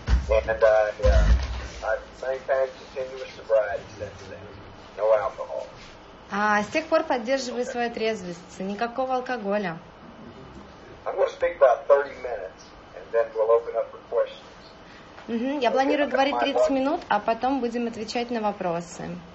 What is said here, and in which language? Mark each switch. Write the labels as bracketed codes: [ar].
[en] And I've maintained continuous sobriety since then. No alcohol. [ru] С тех пор поддерживаю свою трезвость. Никакого алкоголя. [en] I'm going to speak about 30 minutes, and then we'll open up for questions. [ru] Я планирую говорить 30 минут, а потом будем отвечать на вопросы.